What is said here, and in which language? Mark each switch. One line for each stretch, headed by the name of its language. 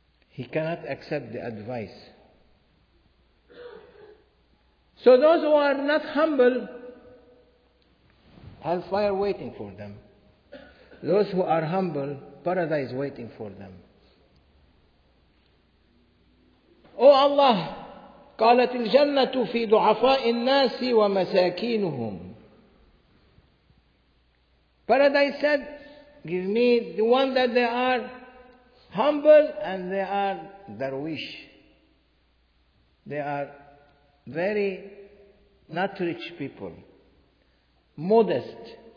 English: He cannot accept the advice. So those who are not humble, hellfire waiting for them. Those who are humble, paradise waiting for them. Oh Allah,
Arabic: قالت الجنة في ضعفاء الناس ومساكينهم.
English: Paradise said, give me the one that they are humble and they are darwish. They are very not rich people, modest.